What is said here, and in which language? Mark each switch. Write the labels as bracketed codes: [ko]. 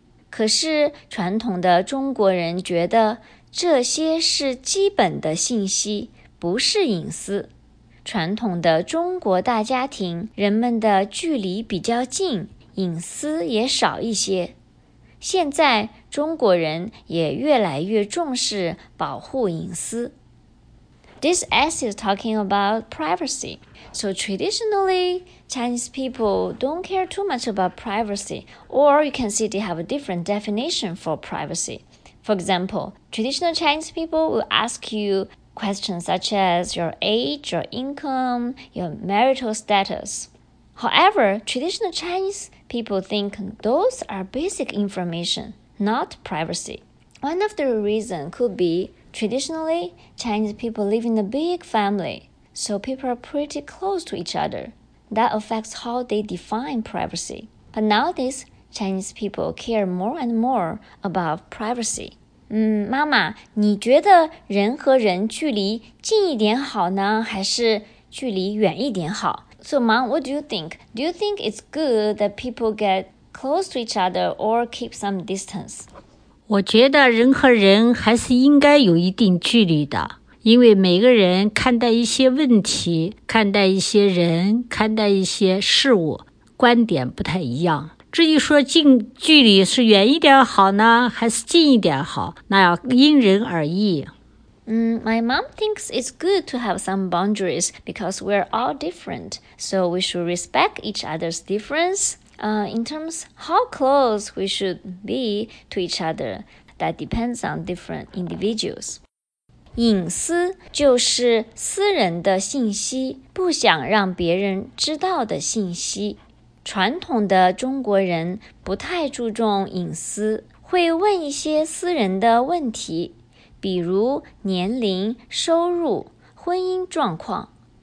[zh] 可是传统的中国人觉得这些是基本的信息，不是隐私。传统的中国大家庭，人们的距离比较近，隐私也少一些。现在中国人也越来越重视保护隐私。 [en] This essay is talking about privacy. So traditionally, Chinese people don't care too much about privacy, or you can see they have a different definition for privacy. For example, traditional Chinese people will ask youQuestions such as your age, your income, your marital status. However, traditional Chinese people think those are basic information, not privacy. One of the reasons could be traditionally Chinese people live in a big family, so people are pretty close to each other. That affects how they define privacy. But nowadays, Chinese people care more and more about privacy. [zh] 妈妈，你觉得人和人距离近一点好呢，还是距离远一点好？ [en] So mom, what do you think? Do you think it's good that people get close to each other or keep some distance? [zh] 我觉得人和人还是应该有一定距离的，因为每个人看待一些问题，看待一些人，看待一些事物，观点不太一样。至于说近距离是远一点好呢，还是近一点好，那要因人而异。 [en] My mom thinks it's good to have some boundaries because we're all different, so we should respect each other's difference. In terms of how close we should be to each other, that depends on different individuals. [zh] 隐私就是私人的信息，不想让别人知道的信息。传统的中国人不太注重隐私，会问一些私人的问题，比如年龄、收入、婚姻状况。